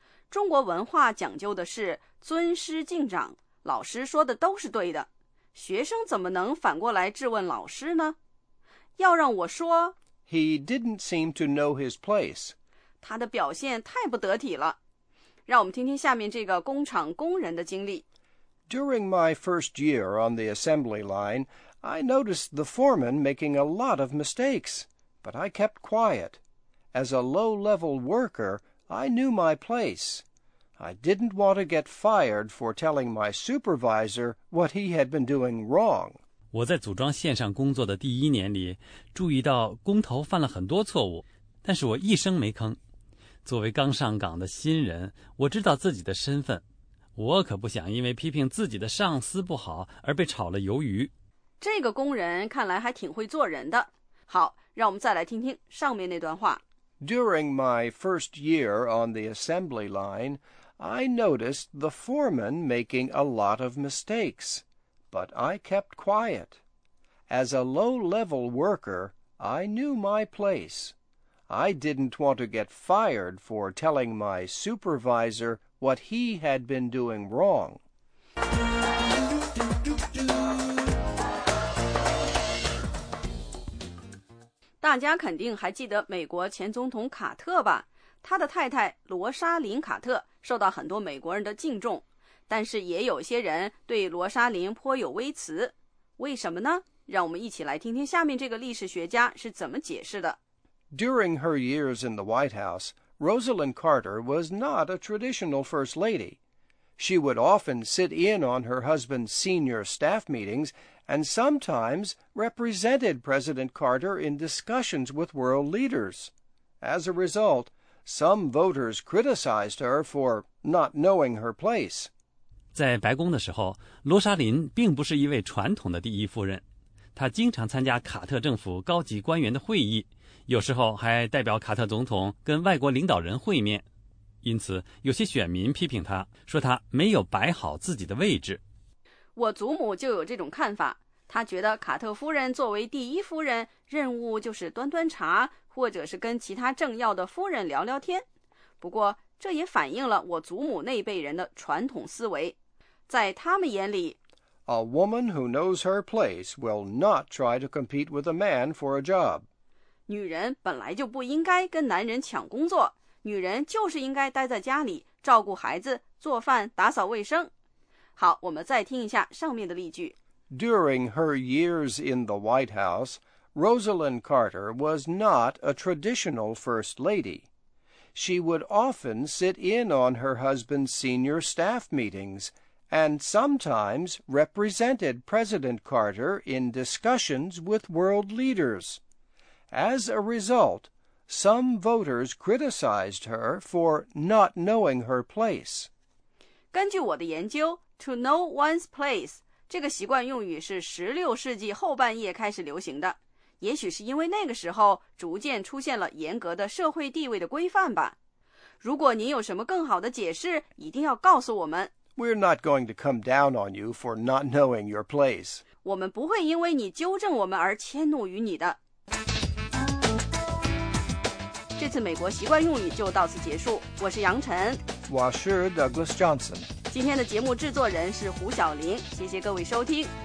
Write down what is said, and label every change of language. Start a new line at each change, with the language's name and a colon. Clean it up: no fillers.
Chinese: 中国文化讲究的是尊师敬长，老师说的都是对的，学生怎么能反过来质问老师呢？要让我说
English: He didn't seem to know his place.
Chinese: 他的表现太不得体了。让我们听听下面这个工厂工人的经历。
English: During my first year on the assembly line, I noticed the foreman making a lot of mistakes, but I kept quiet. As a low-level worker, I knew my place. I didn't want to get fired for telling my supervisor what he had been doing wrong.
Chinese: 我在组装线上工作的第一年里，注意到工头犯了很多错误，但是我一声没吭。作为刚上岗的新人，我知道自己的身份，我可不想因为批评自己的上司不好而被炒了鱿鱼。这个工人看来还挺会做人的。好，让我们再来听听上面那段话。
English: During my first year on the assembly line, I noticed the foreman making a lot of mistakes, but I kept quiet. As a low-level worker, I knew my place. I didn't want to get fired for telling my supervisor what he had been doing wrong.
Chinese: 大家肯定还记得美国前总统卡特吧，他的太太罗莎琳卡特受到很多美国人的敬重，但是也有些人对罗莎琳颇有微词。为什么呢？让我们一起来听听下面这个历史学家是怎么解释的。
English: During her years in the White House, Rosalind Carter was not a traditional first lady. She would often sit in on her husband's senior staff meetings,and sometimes represented President Carter in discussions with world leaders. As a result, some voters criticized her for not knowing her place.
Chinese: 在白宫的时候，罗莎琳并不是一位传统的第一夫人，她经常参加卡特政府高级官员的会议，有时候还代表卡特总统跟外国领导人会面。因此，有些选民批评她，说她没有摆好自己的位置。我祖母就有这种看法，她觉得卡特夫人作为第一夫人，任务就是端端茶，或者是跟其他政要的夫人聊聊天。不过，这也反映了我祖母那辈人的传统思维。在他们眼里
English: A woman who knows her place will not try to compete with a man for a job.
Chinese: 女人本来就不应该跟男人抢工作，女人就是应该待在家里，照顾孩子，做饭，打扫卫生。好，我们再听一下上面的例句。
English: During her years in the White House, Rosalind Carter was not a traditional first lady. She would often sit in on her husband's senior staff meetings and sometimes represented President Carter in discussions with world leaders. As a result, some voters criticized her for not knowing her place.
Chinese: 根据我的研究，
English: To know one's place
Chinese: 这个习惯用语是16世纪后半叶开始流行的，也许是因为那个时候逐渐出现了严格的社会地位的规范吧。如果您有什么更好的解释，一定要告诉我们。
English: We're not going to come down on you for not knowing your place.
Chinese: 我们不会因为你纠正我们而迁怒于你的。这次美国习惯用语就到此结束，我是杨晨，我是 Douglas Johnson。今天的节目制作人是胡晓玲，谢谢各位收听。